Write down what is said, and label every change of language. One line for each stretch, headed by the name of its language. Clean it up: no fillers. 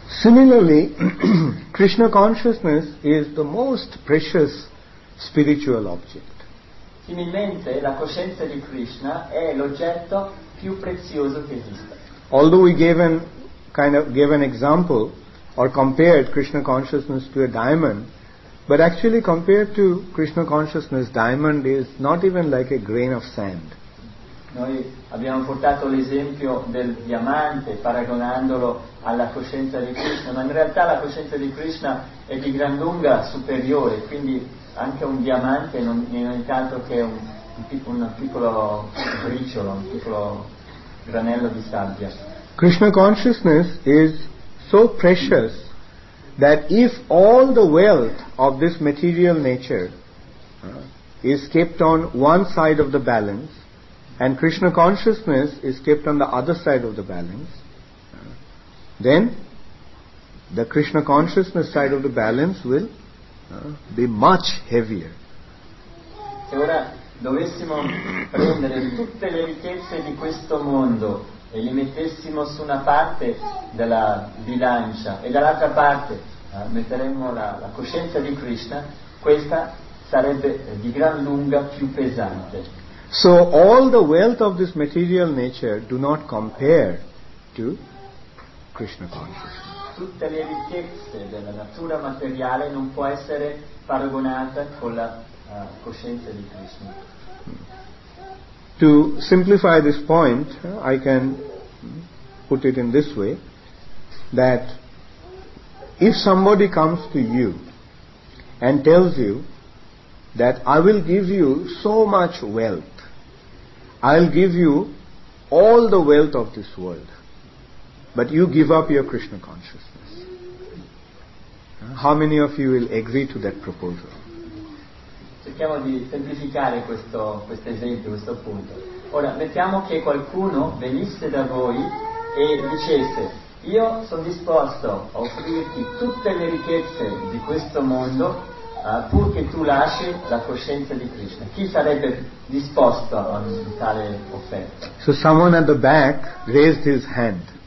English: Similarly, Krishna consciousness is the most precious spiritual object.
Italian: Similmente, la coscienza di Krishna è l'oggetto più prezioso che esista.
English: Although we gave an example or compared Krishna consciousness to a diamond, but actually compared to Krishna consciousness, diamond is not even like a grain of sand.
Italian: Noi abbiamo portato l'esempio del diamante paragonandolo alla coscienza di Krishna, ma in realtà la coscienza di Krishna è di gran lunga superiore, quindi anche un diamante non è tanto che un piccolo briciolo, un piccolo granello di sabbia.
English: Krishna consciousness is so precious that if all the wealth of this material nature is kept on one side of the balance, and Krishna consciousness is kept on the other side of the balance, then the Krishna consciousness side of the balance will be much heavier.
Italian: Se ora dovessimo prendere tutte le ricchezze di questo mondo e li mettessimo su una parte della bilancia e dall'altra parte metteremmo la coscienza di Krishna, questa sarebbe di gran lunga più pesante.
English: So all the wealth of this material nature do not compare to Krishna consciousness.
Italian: Tutte le ricchezze della natura materiale non può essere paragonata con la coscienza di Krishna.
English: To simplify this point, I can put it in this way, that if somebody comes to you and tells you that I will give you so much wealth, I'll give you all the wealth of this world, but you give up your Krishna consciousness, how many of you will agree to that proposal?
Italian: Cerchiamo di semplificare questo esempio, questo punto. Ora, mettiamo che qualcuno venisse da voi e dicesse: io sono disposto a offrirti tutte le ricchezze di questo mondo pur che tu lasci la coscienza di Krishna. Chi sarebbe disposto a tale offerta?
English: So someone at the back raised his hand.